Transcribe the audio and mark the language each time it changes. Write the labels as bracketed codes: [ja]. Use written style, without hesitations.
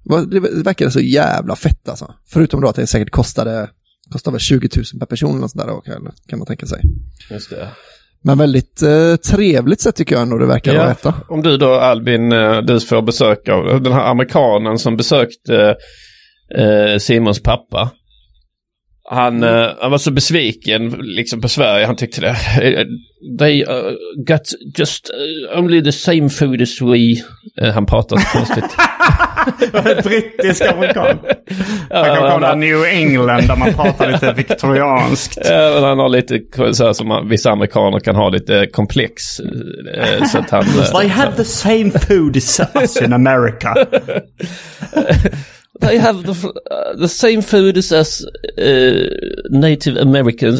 [sv] Det verkade så jävla fett alltså. Förutom då att det säkert kostade 20 000 per person eller sådär, kan man tänka sig. Just det. Men väldigt trevligt sätt tycker jag ändå det verkar att äta. Om du då, Albin, du får besök av den här amerikanen som besökte Simons pappa. Han var så besviken liksom på Sverige, han tyckte det. [en] They got just only the same food as we. [sv] Han pratade konstigt. Brittisk amerikan. Han kom New England där man pratar lite viktorianskt. Han har lite så här, som vissa amerikaner kan ha lite komplex. Så att han, [en] they have the same food as us in America. They have the same food as Native Americans.